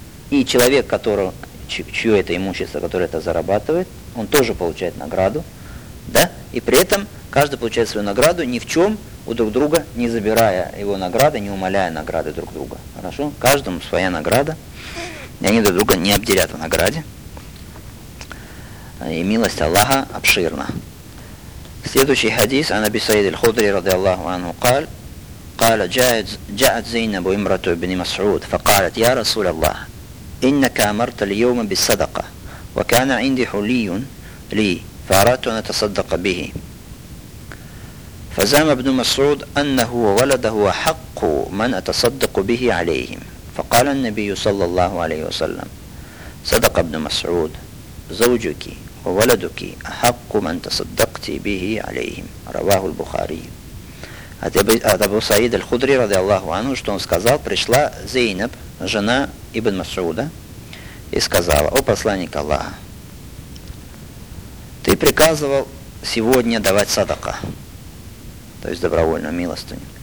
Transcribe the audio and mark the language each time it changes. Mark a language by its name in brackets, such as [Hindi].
[Russian] И человек, которого... чье это имущество, которое это зарабатывает, он тоже получает награду, да, и при этом каждый получает свою награду ни в чем у друг друга, не забирая его награды, не умаляя награды друг друга, хорошо, каждому своя награда, и они друг друга не обделят в награде, и милость Аллаха обширна. Следующий хадис, [Arabic] عن أبي سعيد الخدري رضي الله عنه قال قال جاءت زينب امرأة ابن مسعود فقالت يا رسول الله إنك أمرت اليوم بالصدقة وكان عندي حلي لي فأردت أن أتصدق به فزعم ابن مسعود أنه وولده حق من أتصدق به عليهم فقال النبي صلى الله عليه وسلم صدق ابن مسعود زوجك وولدك حق من تصدقت به عليهم رواه البخاري. [Russian] От Абу Саид аль-Худри رضي الله عنه, что он сказал, пришла Зейнаб, жена Ибн Масуда, и сказала: «О посланник Аллаха, ты приказывал сегодня давать садака, то есть добровольную милостыню.